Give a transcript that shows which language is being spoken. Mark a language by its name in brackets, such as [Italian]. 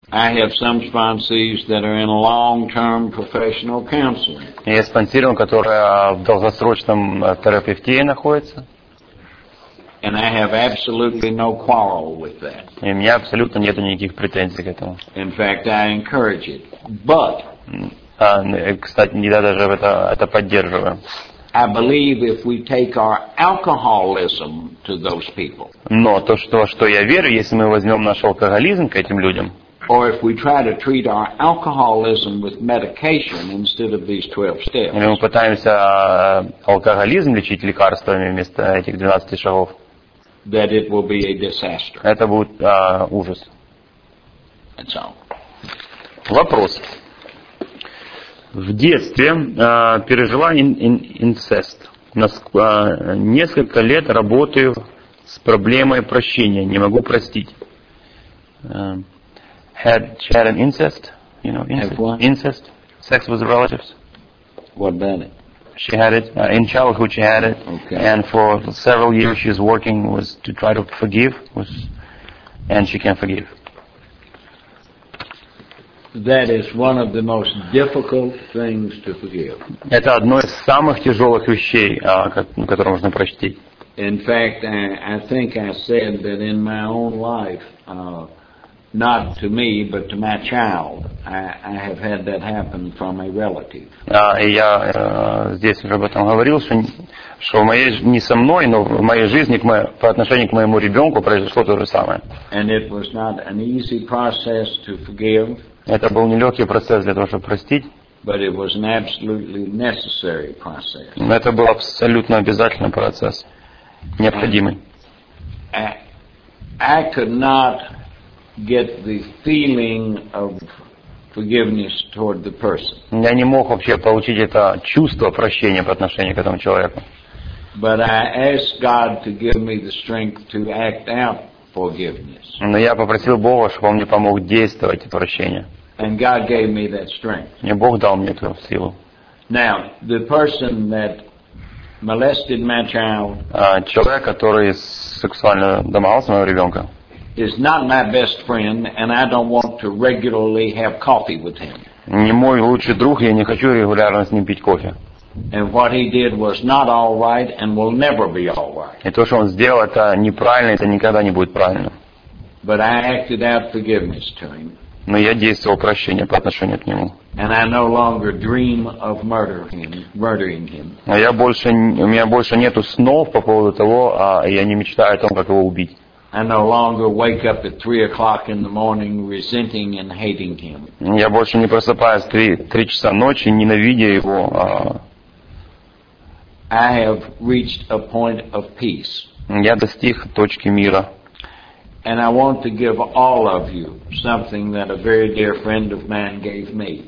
[English] I have some sponsees that are in long-term professional counseling. [Russian] Есть спонсируем, которые в долгосрочном терапевтии находятся. [English] And I have absolutely no quarrel with that. [Russian] И у меня абсолютно нету никаких претензий к этому. [English] In fact, I encourage it. But [Russian] кстати, не да даже это поддерживаю. [English] I believe if we take our alcoholism to those people. [Russian] Но то, что я верю, если мы возьмем наш алкоголизм к этим людям. [English] Or if we try to treat our alcoholism with medication instead of these 12 steps. [Russian] Или мы пытаемся алкоголизм лечить лекарствами вместо этих 12 шагов. [English] That it will be a disaster. [Russian] Это будет ужас. [English] That's all. [Russian] Вопрос. В детстве пережила инцест. Несколько лет работаю с проблемой прощения. Не могу простить. [English] She had an incest, you know, incest, sex with relatives. What about it? She had it, in childhood she had it, okay. And for several years she was working was to try to forgive, was, and she can forgive. That is one of the most difficult things to forgive. [Russian] Это одно из самых тяжелых вещей, которые можно простить. [English] In fact, I think I said that in my own life, not to me, but to my child. I have had that happen from a relative. [Russian] Я здесь уже об этом говорил, что в моей не со мной, но в моей жизни по отношению к моему ребенку произошло то же самое. [English] And it was not an easy process to forgive. [Russian] Это был нелегкий процесс для того, чтобы простить. [English] But it was an absolutely necessary process. [Russian] Это был абсолютно обязательный процесс, необходимый. [English] I could not get the feeling of forgiveness toward the person. [Russian] Я не мог вообще получить это чувство прощения по отношению к этому человеку. [English] But I asked God to give me the strength to act out forgiveness. [Russian] Но я попросил Бога, чтобы он мне помог действовать это прощение. [English] And God gave me that strength. [Russian] И Бог дал мне эту силу. [English] Now, the person that molested my child, [Russian] человек, который сексуально домогался моего ребенка, [English] is not my best friend, and I don't want to regularly have coffee with him. [Russian] Не мой лучший друг, я не хочу регулярно с ним пить кофе. [English] And what he did was not all right, and will never be all right. [Russian] И то, что он сделал, это неправильно, это никогда не будет правильно. [English] But I acted out forgiveness to him. [Russian] Но я действовал прощение по отношению к нему. [English] And I no longer dream of murdering him. [Russian] А я больше у меня больше нету снов по поводу того, а я не мечтаю о том, как его убить. [English] I no longer wake up at 3 o'clock in the morning resenting and hating him. [Russian] Я больше не просыпаюсь три часа ночи, ненавидя его. [English] I have reached a point of peace. [Russian] Я достиг точки мира. [English] And I want to give all of you something that a very dear friend of mine gave me.